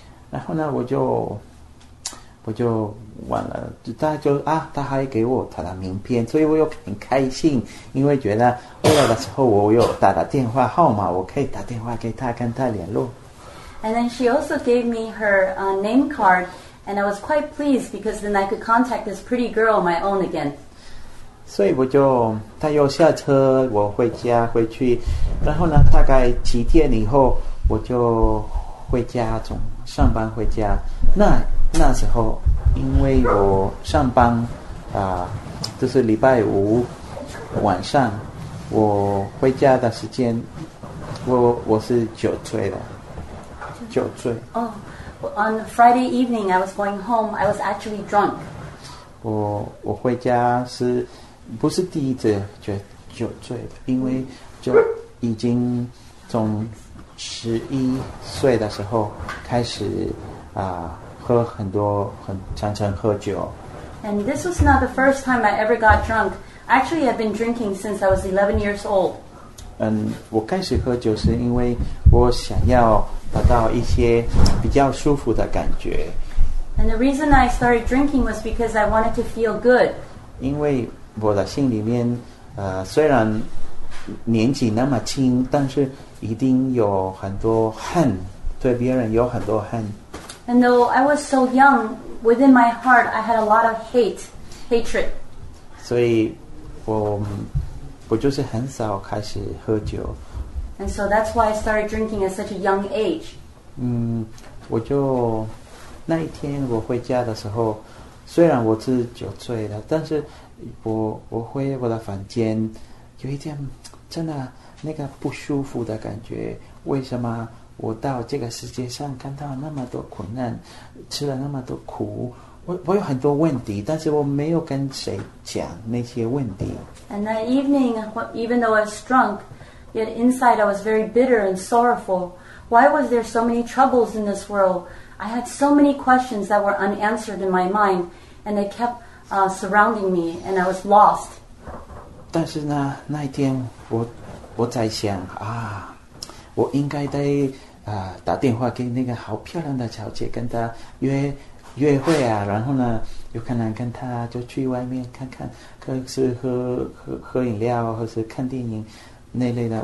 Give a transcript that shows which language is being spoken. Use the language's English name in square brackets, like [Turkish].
[Chinese] 然后呢，我就完了，他还给我他的名片，所以我又很开心，因为觉得回来的时候我有他的电话号码，我可以打电话给他，跟他联络。 [English] And then she also gave me her name card, and I was quite pleased because then I could contact this pretty girl on my own again. [Chinese] 所以他又下车，我回家回去，然后呢，大概几天以后，我就回家，从上班回家，那时候，因为我上班，就是礼拜五晚上，我回家的时间，我是酒醉了，酒醉。 [English] On Friday evening, I was going home. I was actually drunk. [Chinese] 我回家是不是第一次酒醉？因为就已经从11岁的时候开始喝很多，很常常喝酒。 [English] And this was not the first time I ever got drunk. Actually, I've been drinking since I was 11 years old. [Chinese] 我开始喝酒是因为我想要达到一些比较舒服的感觉。 [English] And the reason I started drinking was because I wanted to feel good. [Chinese] 因为我的心里面，虽然年纪那么轻，但是一定有很多恨，对别人有很多恨。 [English] And though I was so young, within my heart, I had a lot of hate, hatred. [Chinese] 所以我就是很少开始喝酒。 [English] And so that's why I started drinking at such a young age. [Chinese] 我就那一天我回家的时候，虽然我是酒醉了，但是我回我的房间，有一点真的那个不舒服的感觉。为什么我到这个世界上看到那么多苦难，吃了那么多苦，我有很多问题，但是我没有跟谁讲那些问题。 [English] And that evening, even though I was drunk, yet inside I was very bitter and sorrowful. Why was there so many troubles in this world? I had so many questions that were unanswered in my mind, and they kept surrounding me, and I was lost. [Chinese] 但是呢，那一天我在想啊，我应该得打电话给那个好漂亮的小姐，跟她约会啊，然后呢，有可能跟她就去外面看看，可是喝饮料，或是看电影那类的。